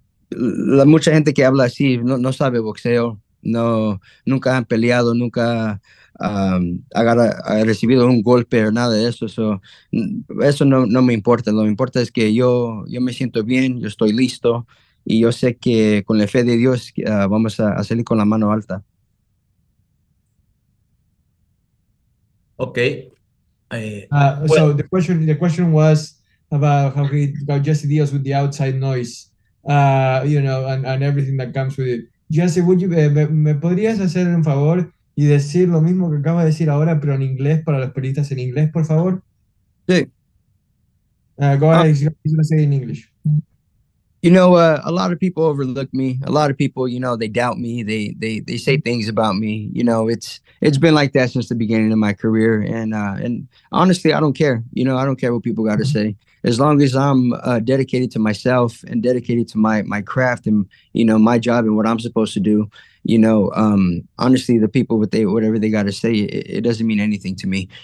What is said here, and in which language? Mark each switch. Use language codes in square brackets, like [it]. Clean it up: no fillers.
[es] Mucha gente que habla así no sabe boxeo. No, nunca han peleado, nunca ha recibido un golpe o nada de eso. Eso no me importa. Lo que importa es que yo me siento bien, yo estoy listo y yo sé que con la fe de Dios vamos a salir con la mano alta. Ok. [en] So the question was about how Jesse deals with the outside noise, and everything that comes with it. [es] Jesse, ¿me podrías hacer un favor y decir lo mismo que acabas de decir ahora, pero en inglés, para los periodistas en inglés, por favor? Sí. [en] Go ahead, he's going to say it in English. You know, a lot of people overlook me. A lot of people, you know, they doubt me. They say things about me. You know, it's been like that since the beginning of my career. And honestly, I don't care. You know, I don't care what people got to say. As long as I'm dedicated to myself and dedicated to my craft and, you know, my job and what I'm supposed to do, you know, honestly, the people, whatever they got to say, it doesn't mean anything to me.